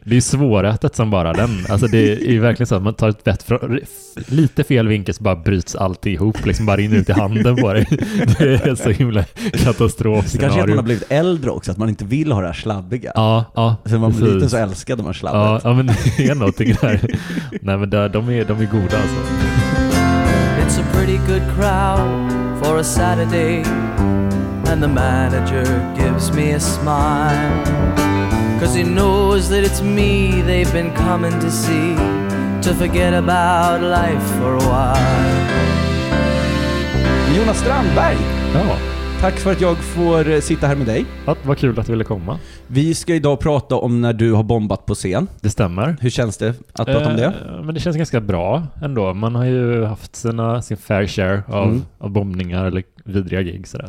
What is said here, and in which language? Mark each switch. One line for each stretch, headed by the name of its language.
Swedish: Det är svårätet som bara den. Alltså det är verkligen så att man tar ett bett från lite fel vinkel så bara bryts allt ihop. Liksom bara in ut i handen på dig. Det är så himla katastrofscenario. Det kanske är att man har blivit äldre också. Att man inte vill ha det här slabbiga. Ja, ja. Sen man blir liten så älskar de här slabbet. Ja, men det är någonting där. Nej, men de är goda alltså.
English: It's a pretty good crowd for a Saturday. And the manager gives me a smile, 'cause he knows that it's me they've been coming to see, to forget about life for a while.
Swedish: Jonas Strandberg! Ja. Tack för att jag får sitta här med dig. Ja, vad kul att du ville komma. Vi ska idag prata om när du har bombat på scen. Det stämmer. Hur känns det att prata om det? Men det känns ganska bra ändå. Man har ju haft sin
English: fair share
Swedish: av bombningar eller vidriga gig. Sådär.